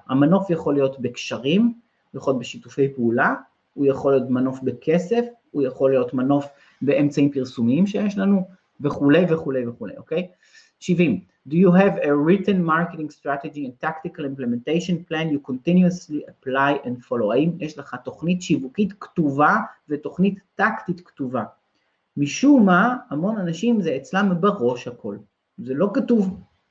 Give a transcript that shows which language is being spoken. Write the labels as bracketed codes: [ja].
[he] המנוף יכול להיות בקשרים, הוא יכול להיות בשיתופי פעולה, הוא יכול להיות מנוף בכסף, הוא יכול להיות מנוף באמצעים פרסומיים שיש לנו, וכולי וכולי וכולי, אוקיי? 70. [en] Do you have a written marketing strategy and tactical implementation plan you continuously apply and follow? [he] האם יש לך תוכנית שיווקית כתובה ותוכנית טקטית כתובה? משום מה, המון אנשים זה אצלם בראש הכל. זה לא כתוב.